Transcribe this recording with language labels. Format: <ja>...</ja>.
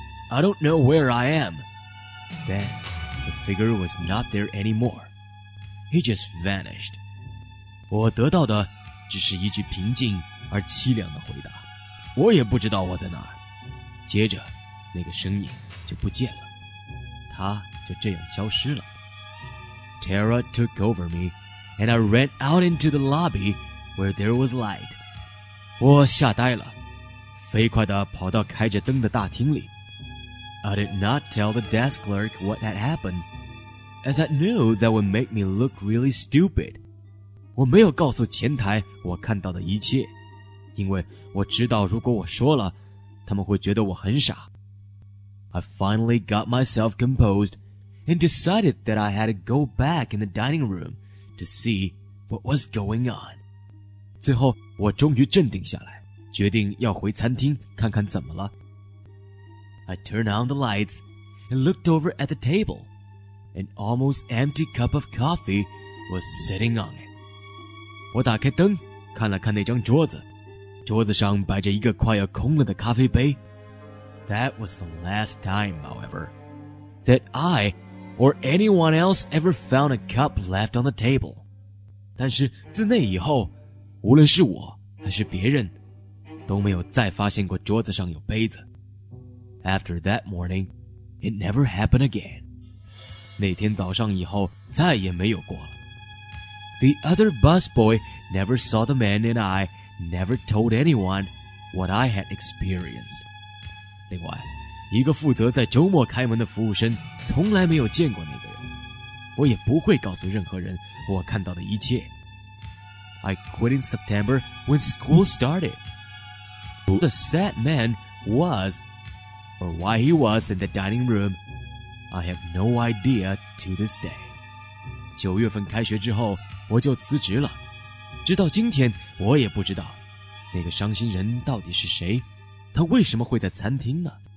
<en>I don't know where I am. Then, the figure was not there anymore. He just vanished.</en> <zh>我得到的只是一句平静而凄凉的回答。我也不知道我在哪儿。接着，那个声音就不见了。他就这样消失了。</zh> <en>Terror took over me, and I ran out into the lobby where there was light.</en> <zh>我吓呆了。飞快地跑到开着灯的大厅里。</zh> <en>I did not tell the desk clerk what had happened, as I knew that would make me look really stupid.</en> <zh>我没有告诉前台我看到的一切，因为我知道如果我说了，他们会觉得我很傻。</zh> <en>I finally got myself composed and decided that I had to go back in the dining room to see what was going on.</en> <zh>最后，我终于镇定下来。决定要回餐厅看看怎么了。</zh> <en>I turned on the lights and looked over at the table. An almost empty cup of coffee was sitting on it.</en> <zh>我打开灯，看了看那张桌子，桌子上摆着一个快要空了的咖啡杯。</zh> <en>That was the last time, however, that I or anyone else ever found a cup left on the table.</en> <zh>但是自那以后，无论是我还是别人都没有再发现过桌子上有杯子。</zh> <en>After that morning, it never happened again.</en> <zh>那天早上以后再也没有过了。</zh> <en>The other busboy never saw the man and I never told anyone what I had experienced.</en> <zh>另外，一个负责在周末开门的服务生从来没有见过那个人。我也不会告诉任何人我看到的一切。</zh> <en>I quit in September when school started. Who the sad man was, or why he was in the dining room, I have no idea to this day.</en> <zh>九月份开学之后，我就辞职了。直到今天，我也不知道那个伤心人到底是谁，他为什么会在餐厅呢？</zh>